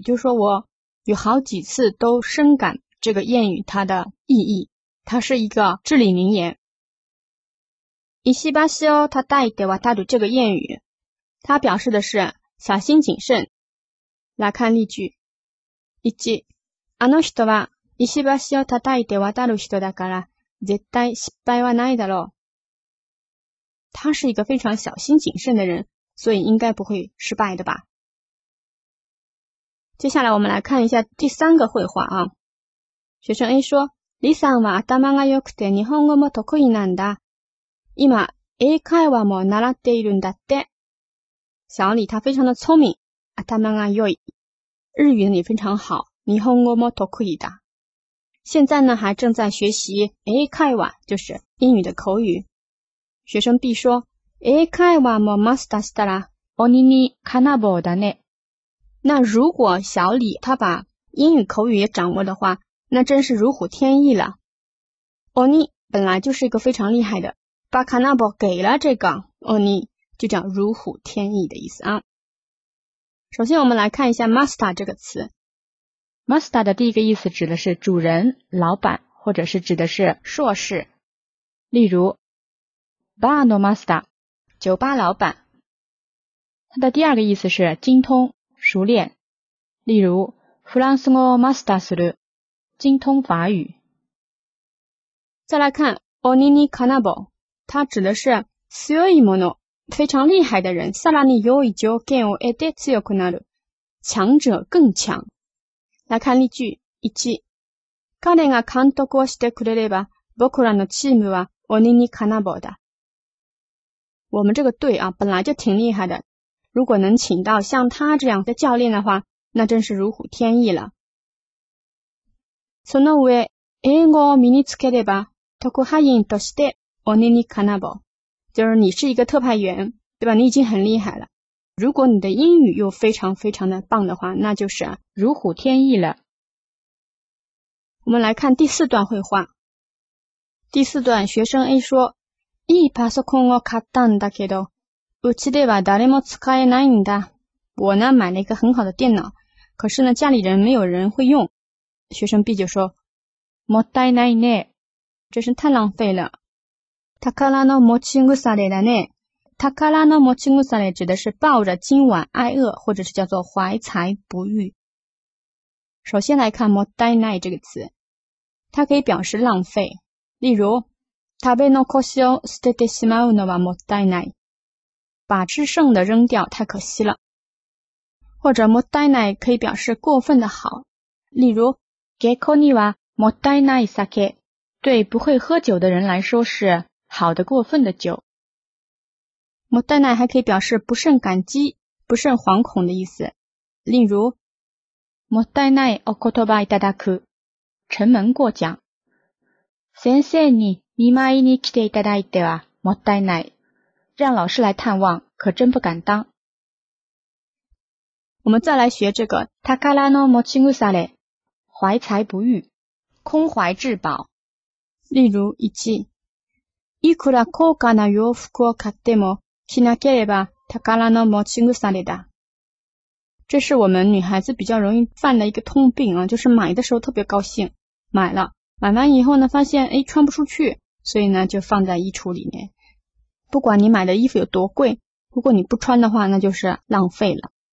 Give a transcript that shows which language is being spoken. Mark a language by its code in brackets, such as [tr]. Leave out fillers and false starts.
[zh] 就是说我有好几次都深感这个谚语它的意义。它是一个至理名言。 [ja] 石橋を叩いて渡る [zh] 这个谚语。它表示的是小心谨慎。来看例句。 [ja] 1、あの人は石橋を叩いて渡る人だから絶対失敗はないだろう。 [zh] 他是一个非常小心谨慎的人，所以应该不会失败的吧。接下来我们来看一下第三个会话啊。学生 A 说， [ja] 李さんは頭が良くて日本語も得意なんだ。今、英会話も習っているんだって。 [zh] 小李他非常的聪明， [ja] 頭が良い。 [zh] 日语也非常好， [ja] 日本語も得意だ。 [zh] 现在呢还正在学习 英会話，就是英语的口语。学生 B 说， [ja] 英会話もマスターしたら鬼にかなぼうだね。 [zh] 那如果小李他把英语口语也掌握的话，那真是如虎添翼了。鬼本来就是一个非常厉害的，把かなぼう给了这个鬼，就叫如虎添翼的意思啊。首先我们来看一下 master 这个词。 master 的第一个意思指的是主人、老板，或者是指的是硕士。例如 bar のmaster 酒吧老板。它的第二个意思是精通、熟练。例如 [ja] フランス語をマスターする， [zh] 精通法语。再来看鬼にかなぼう，它指的是 [ja] 強いもの， [zh] 非常厉害的人。 [ja] さらに良い条件を得て強くなる， [zh] 强者更强。来看例句一， [ja] 彼が監督をしてくれれば、僕らのチームは鬼にかなぼうだ。 [zh] 我们这个队啊，本来就挺厉害的，如果能请到像他这样的教练的话，那真是如虎添翼了。 [ja] その上、英語を身につければ、特派員として鬼にかなぼう。 [zh] 就是你是一个特派员，对吧？你已经很厉害了。如果你的英语又非常非常的棒的话，那就是如虎添翼了。我们来看第四段绘画。第四段，学生 A 说：“ [ja] いいパソコンを買ったんだけど、うちでは誰も使えないんだ。” [zh] 我呢买了一个很好的电脑，可是呢家里人没有人会用。学生 B 就说：“ [ja] もったいないね， [zh] 真是太浪费了。” [ja] 宝の持ち腐れだね。 [zh] 宝の持ち腐れ指的是抱着今晚挨饿，或者是叫做怀才不遇。首先来看もったいない这个词，它可以表示浪费。例如， [ja] 食べ残しを捨ててしまうのはもったいない。 [zh] 把吃剩的扔掉太可惜了。或者もったいない可以表示过分的好。例如， [ja] 下戸にはもったいない酒。 [zh] 对不会喝酒的人来说是好的过分的酒。もったいない还可以表示不胜感激、不胜惶恐的意思。例如 [ja] もったいないお言葉いただく、 [zh] 沉闷过奖。 [ja] 先生に見舞いに来ていただいてはもったいない、 [zh] 让老师来探望可真不敢当。我们再来学这个 [ja] 宝の持ち腐れ、 [zh] 怀才不遇、空怀至宝。例如一、 [ja] いくら高価な洋服を買っても着なければ宝の持ち腐れだ。 [zh] 这是我们女孩子比较容易犯的一个通病啊，就是买的时候特别高兴，买了，买完以后呢，发现哎穿不出去，所以呢就放在衣橱里面。不管你买的衣服有多贵，如果你不穿的话，那就是浪费了。